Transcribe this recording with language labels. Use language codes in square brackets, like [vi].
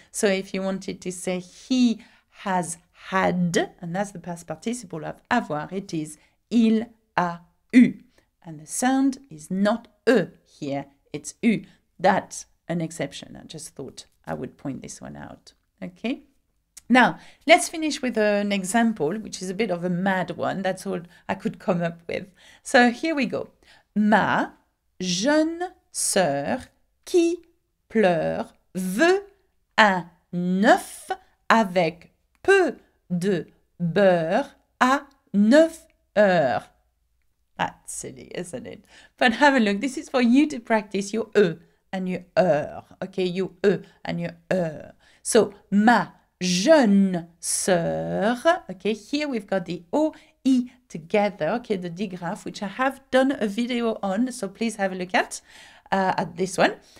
[en] So if you wanted to say he has had, and that's the past participle of avoir, it is [fr] il a eu. [en] And the sound is not E here, it's U. That's an exception. I just thought I would point this one out, okay? Now, let's finish with an example, which is a bit of a mad one. That's all I could come up with. So here we go. [fr] Ma jeune sœur qui pleure veut un œuf avec peu de beurre à 9 heures. [en] That's silly, isn't it? But have a look. This is for you to practice your E and your R. Okay, your E and your R. So, [fr] ma jeune sœur, [en] okay, here we've got the O, I together, okay, the digraph, which I have done a video on, so please have a look at this one.